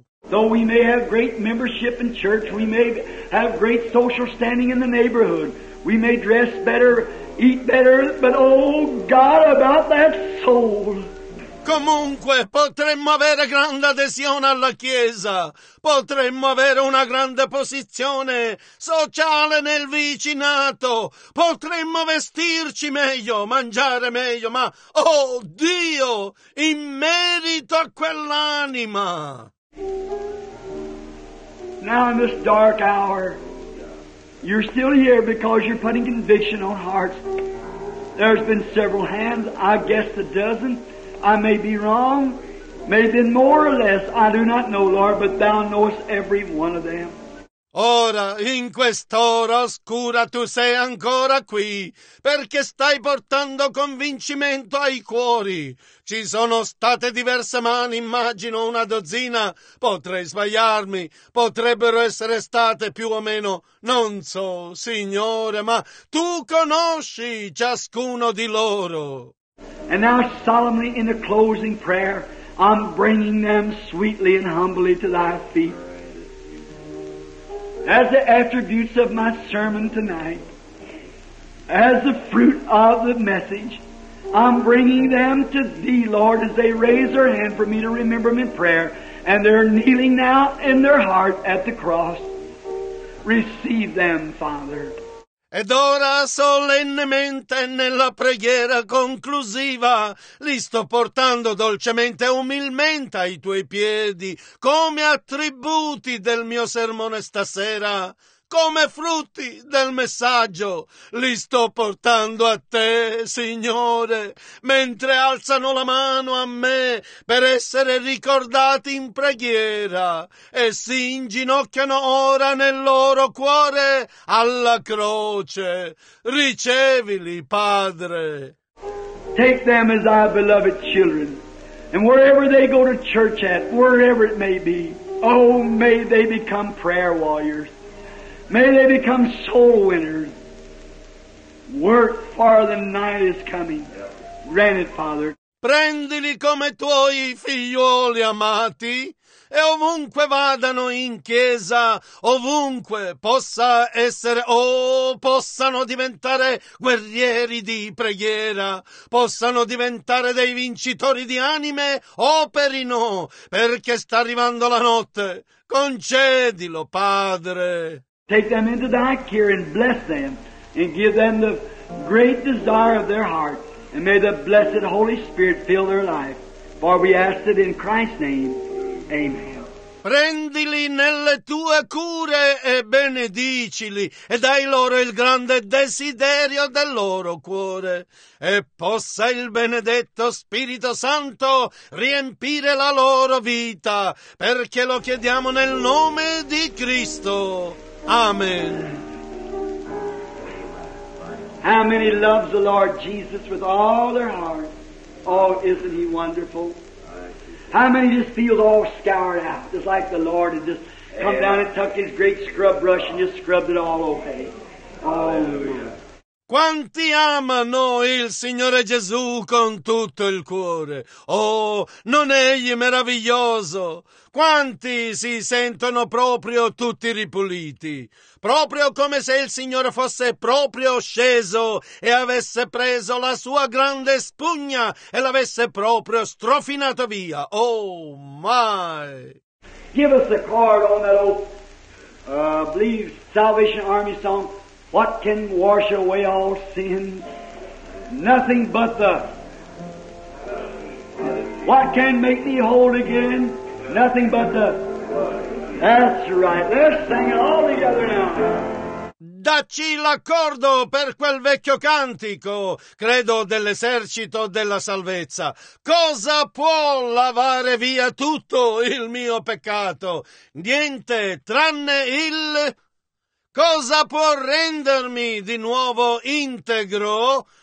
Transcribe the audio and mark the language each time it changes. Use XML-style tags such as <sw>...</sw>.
<en>Though we may have great membership in church, we may have great social standing in the neighborhood, we may dress better, eat better, but oh God, about that soul.</en> <it>Comunque, potremmo avere grande adesione alla Chiesa, potremmo avere una grande posizione sociale nel vicinato, potremmo vestirci meglio, mangiare meglio, ma oh Dio, in merito a quell'anima.</it> <en>Now in this dark hour, you're still here because you're putting conviction on hearts. There's been several hands, I guess a dozen. I may be wrong, may have been more or less, I do not know, Lord, but thou knowest every one of them.</en> <it>Ora, in quest'ora oscura, tu sei ancora qui, perché stai portando convincimento ai cuori. Ci sono state diverse mani, immagino una dozzina, potrei sbagliarmi, potrebbero essere state più o meno, non so, Signore, ma tu conosci ciascuno di loro.</it> <en>And now solemnly in the closing prayer, I'm bringing them sweetly and humbly to thy feet. As the attributes of my sermon tonight, as the fruit of the message, I'm bringing them to thee, Lord, as they raise their hand for me to remember them in prayer, and they're kneeling now in their heart at the cross. Receive them, Father.</en> <it>Ed ora solennemente nella preghiera conclusiva li sto portando dolcemente e umilmente ai tuoi piedi come attributi del mio sermone stasera, come frutti del messaggio. Li sto portando a te, Signore, mentre alzano la mano a me per essere ricordati in preghiera e si inginocchiano ora nel loro cuore alla croce. Ricevili, Padre.</it> <en>Take them as our beloved children, and wherever they go to church at, wherever it may be, oh, may they become prayer warriors. May they become soul winners. Work for the night is coming. Grant it, Father.</en> <it>Prendili come tuoi figlioli amati, e ovunque vadano in chiesa, ovunque possa essere, oh, possano diventare guerrieri di preghiera, possano diventare dei vincitori di anime, operino, perché sta arrivando la notte. Concedilo, Padre.</it> <en>Take them into thy care and bless them and give them the great desire of their heart. And may the blessed Holy Spirit fill their life. For we ask it in Christ's name. Amen.</en> <it>Prendili nelle tue cure e benedicili e dai loro il grande desiderio del loro cuore e possa il benedetto Spirito Santo riempire la loro vita perché lo chiediamo nel nome di Cristo. Amen.</it> <en>How many loves the Lord Jesus with all their heart? Oh, isn't he wonderful? How many just feel all scoured out, just like the Lord had just come down and tucked his great scrub brush and just scrubbed it all away? Hallelujah.</en> <it>Quanti amano il Signore Gesù con tutto il cuore? Oh, non egli meraviglioso? Quanti si sentono proprio tutti ripuliti, proprio come se il Signore fosse proprio sceso e avesse preso la sua grande spugna e l'avesse proprio strofinato via.</it> <en>Oh my! Give us a card on that old, believe Salvation Army song, what can wash away all sin? Nothing but the... What can make thee whole again? Nothing but the... That's right. Let's sing it all together now.</en> <it>dacci l'accordo per quel vecchio cantico, credo dell'esercito della salvezza. Cosa può lavare via tutto il mio peccato? Niente, tranne il... Cosa può rendermi di nuovo integro?</it>